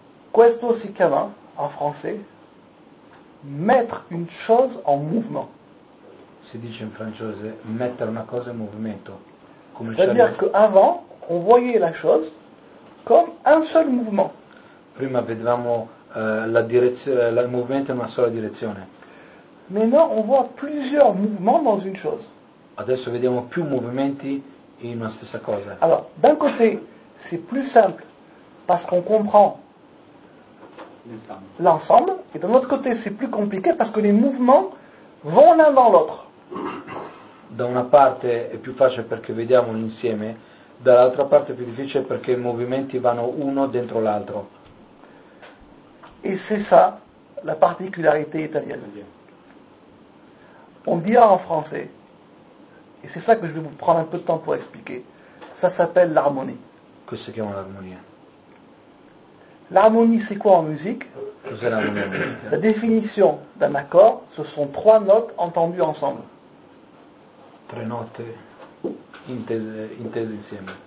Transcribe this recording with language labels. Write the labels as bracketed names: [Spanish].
[Italian] Questo si chiama, in francese, [French] mettre une chose en mouvement. [Italian] Si dice in francese mettere una cosa in movimento. Come c'è dire che [French] avant on voyait la chose comme un seul mouvement. [Italian] Prima vedevamo la direzione, il movimento in una sola direzione. [French] Maintenant on voit plusieurs mouvements dans une chose. [Italian] Adesso vediamo più movimenti in una stessa cosa. [French] Alors, d'un côté, c'est plus simple parce qu'on comprend l'ensemble et d'un autre côté, c'est plus compliqué parce que les mouvements vont l'un dans l'autre. [Italian] Da una parte è più facile perché vediamo l'insieme, dall'altra parte è più difficile perché i movimenti vanno uno dentro l'altro. [French] E c'est ça la particularité italienne. On dit en français, et c'est ça que je vais vous prendre un peu de temps pour expliquer, ça s'appelle l'harmonie. [Italian] Che si chiama l'armonia? [French] L'harmonie c'est quoi en musique? La définition d'un accord, ce sont trois notes entendues ensemble. [Italian] Tre note intese insieme.